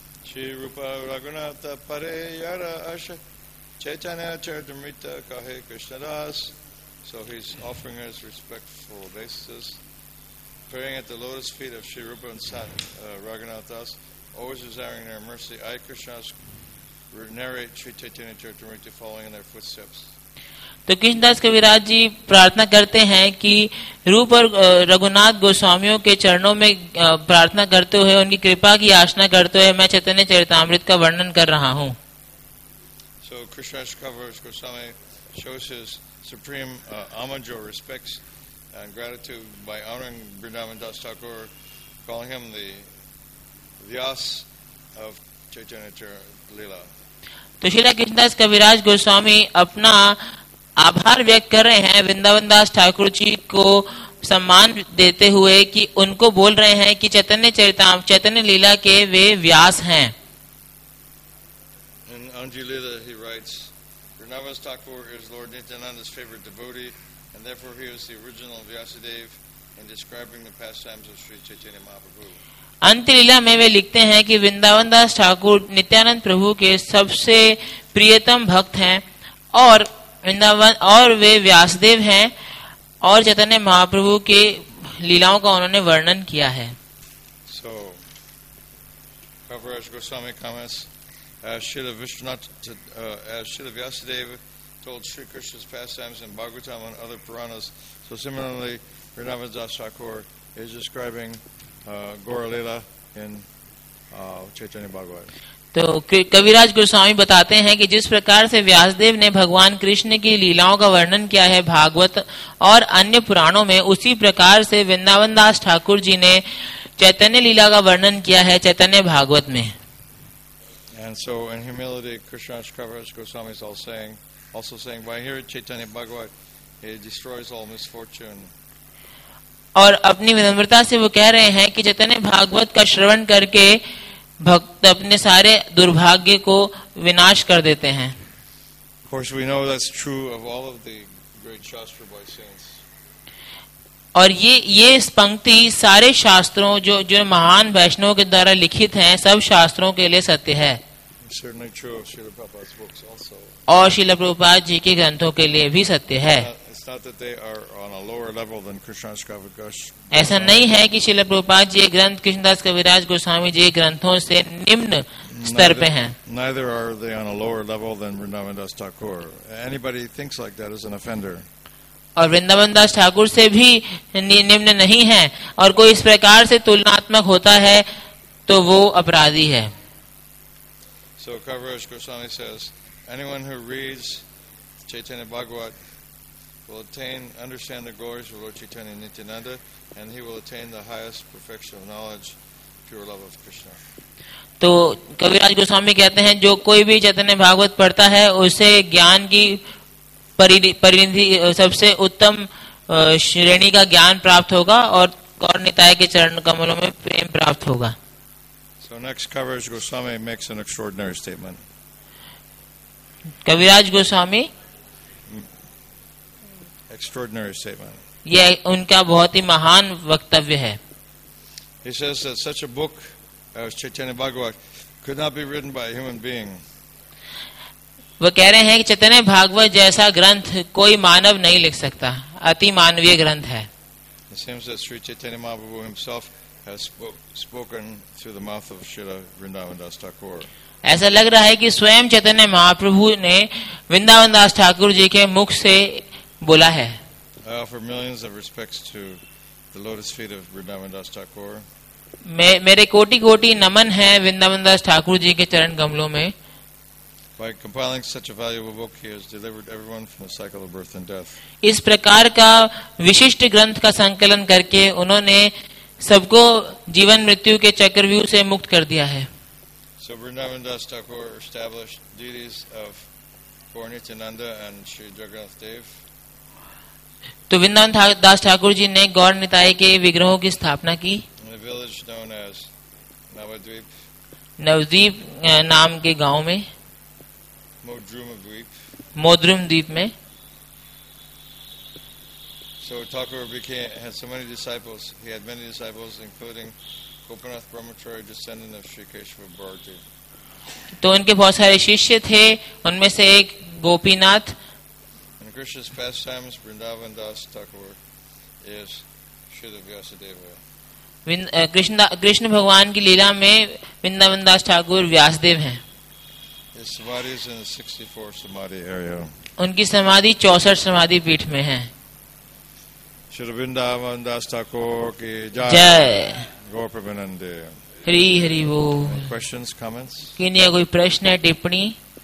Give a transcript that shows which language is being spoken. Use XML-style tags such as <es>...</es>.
<bn>श्री रूपा रघुनाथ परे यार अश चैतन्य चरितामृत कहे कृष्णदास,</bn> <en>So he is offering his respectful obeisances praying at the lotus feet of Shri Rupa and सत Raghunath Das always desiring their mercy I Krishnadas narrate Shri Chaitanya Charitamrita following in their footsteps.</en> <hi>तो कृष्णदास कविराज जी प्रार्थना करते हैं कि रूप और रघुनाथ गोस्वामियों के चरणों में प्रार्थना करते हुए उनकी कृपा की याचना करते हुए मैं चैतन्य चरितामृत का वर्णन कर रहा हूँ।</hi> <en>So Krishnadas Kaviraj Goswami shows his supreme homage or respects and gratitude by honoring Vrindavan Das Thakur, calling him the Vyas of Chaitanya Lila.</en> <hi>तो श्री कृष्णदास कविराज गोस्वामी अपना आभार व्यक्त कर रहे हैं वृंदावन दास ठाकुर जी को सम्मान देते हुए कि उनको बोल रहे हैं कि चैतन्य लीला के वे व्यास हैं।</hi> <en>In Anjulila he writes, Vrindavan Das Thakur is Lord Nityananda's favorite devotee and therefore he is the original Vyasadeva in describing the pastimes of Sri Chaitanya Mahaprabhu.</en> <hi>अंतलीला में वे लिखते हैं कि वृंदावन दास ठाकुर नित्यानंद प्रभु के सबसे प्रियतम भक्त हैं और और वे व्यासदेव हैं और चैतन्य महाप्रभु के लीलाओं का उन्होंने वर्णन किया है।</hi> <en>So, Kaviraj Goswami comments, as Srila Vishnath, as Srila Vyasadeva told Sri Krishna's pastimes in Bhagavatam and other Puranas, so similarly, Vrindavan Das Thakur is describing Gauralila in Chaitanya Bhagavat.</en> <hi>तो कविराज गोस्वामी बताते हैं कि जिस प्रकार से व्यासदेव ने भगवान कृष्ण की लीलाओं का वर्णन किया है भागवत और अन्य पुराणों में उसी प्रकार से वृंदावन दास ठाकुर जी ने चैतन्य लीला का वर्णन किया है चैतन्य भागवत में।</hi> <en>And so in humility, Krishnadas Kaviraj Goswami is also saying, by hearing Chaitanya Bhagavat, he destroys all misfortune.</en> <hi>और अपनी विनम्रता से वो कह रहे हैं कि चैतन्य भागवत का श्रवण करके भक्त अपने सारे दुर्भाग्य को विनाश कर देते हैं।</hi> <en>Of course, we know that's true of all of the great Shastra boy saints.</en> <hi>और ये इस पंक्ति सारे शास्त्रों जो महान वैष्णवों के द्वारा लिखित हैं सब शास्त्रों के लिए सत्य है।</hi> <en>It's certainly true of Srila Prabhupada's books also.</en> <hi>और श्रील प्रभुपाद जी के ग्रंथों के लिए भी सत्य है। ऐसा नहीं है कि श्रील प्रभुपाद जी ग्रंथ कृष्णदास कविराज गोस्वामी जी ग्रंथों से निम्न स्तर पे हैं।</hi> <en>Neither are they on a lower level than Vrindavan Das Thakur. Anybody thinks like that is an offender.</en> <hi>और वृंदावन दास ठाकुर से भी निम्न नहीं है और कोई इस प्रकार से तुलनात्मक होता है तो वो अपराधी है।</hi> <en>So Kaviraj Goswami says, anyone who reads Chaitanya Bhagavat will attain, understand the glories of Lord Chaitanya Nityananda, and he will attain the highest perfection of knowledge, pure love of Krishna.</en> <hi>तो कविराज गोस्वामी कहते हैं जो कोई भी चैतन्य भागवत पढ़ता है उसे ज्ञान की परिणति सबसे उत्तम श्रेणी का ज्ञान प्राप्त होगा और निताय के चरण कमलों में प्रेम प्राप्त होगा।</hi> <en>So next, Kaviraj Goswami makes an extraordinary statement.</en> <hi>Kaviraj Goswami</hi> <en>extraordinary statement.</en> <hi>यह उनका बहुत ही महान वक्तव्य है.</hi> <en>He says that such a book as Chaitanya Bhagavat could not be written by a human being.</en> <hi>वो कह रहे हैं कि चैतन्य भागवत जैसा ग्रंथ कोई मानव नहीं लिख सकता. अति मानवीय ग्रंथ है.</hi> <en>He says that Sri Chaitanya Mahaprabhu himself has spoken through the mouth of Srila Vrindavan Das Thakur.</en> <hi>ऐसा लग रहा है कि स्वयं चैतन्य महाप्रभु ने वृंदावन दास ठाकुर जी के मुख से बोला है.</hi> <en>I offer millions of respects to the lotus feet of Vrindavan Das Thakur.</en> <hi>मेरे कोटि कोटि नमन है वृंदावन दास ठाकुर जी के चरण कमलों में.</hi> <en>By compiling such a valuable book, he has delivered everyone from the cycle of birth and death.</en> <hi>इस प्रकार का विशिष्ट ग्रंथ का संकलन करके उन्होंने सबको जीवन मृत्यु के चक्रव्यूह से मुक्त कर दिया है.</hi> <en>So Vrindavan Das Thakur established deities of Gaur Nityananda and Sri Jagannath Dev.</en> <hi>तो वृंदावन दास ठाकुर जी ने गौर निताय के विग्रहों की स्थापना की.</hi> <en>In a village known as Navadvip.</en> <hi>Nabadwip नाम के गांव में. मोद्रुम द्वीप में.</hi> <en>So Thakur became had so many disciples. He had many disciples, including Gopinath Brahmacharya, descendant of Sri Keshava Bharati.</en> <hi>तो उनके बहुत सारे शिष्य थे. उनमें से एक Gopinath.</hi> <en>In Krishna's pastimes, Vrindavan Das Thakur is Shrila Vyasadeva.</en> <hi>Krishna भगवान की लीला में वृंदावन दास ठाकुर व्यासदेव हैं.</hi> <en>His samadhi is in the 64 samadhi area.</en> <hi>उनकी समाधि 64 समाधि पीठ में है. Shri Vrindavan Das Thakur ki jai. Gaur Prabhanande. Hari Hari Bol.</hi> <en>Questions, comments?</en> <hi>किन्हीं या कोई प्रश्न है टिप्पणी?</hi>